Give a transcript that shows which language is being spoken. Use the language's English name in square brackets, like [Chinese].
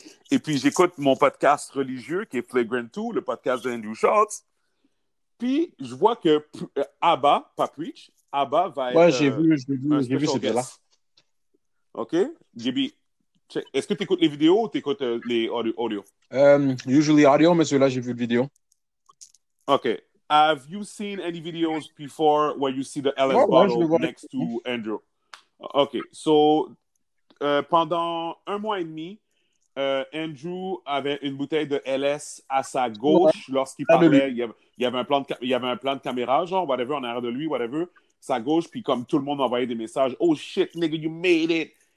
[French] Et puis, j'écoute mon podcast religieux qui est Flagrant 2, le podcast d'Andrew Schultz. Puis, je vois que Abba, pas Preach, Abba va être... Ouais, j'ai vu ce gars-là. OK? Gibby, est-ce que tu écoutes les vidéos ou tu écoutes les audio? [English] Usually audio, [French] mais celui-là, j'ai vu le vidéo. OK. [English] Have you seen any videos before where you see the LS bottle next to Andrew? OK. [French] So, pendant un mois et demi, Andrew avait une bouteille de LS à sa gauche lorsqu'il parlait. Il y avait un plan de caméra, genre, whatever, en arrière de lui, whatever. Sa gauche, puis comme tout le monde envoyait des messages, « [English] Oh shit, nigga, you made it!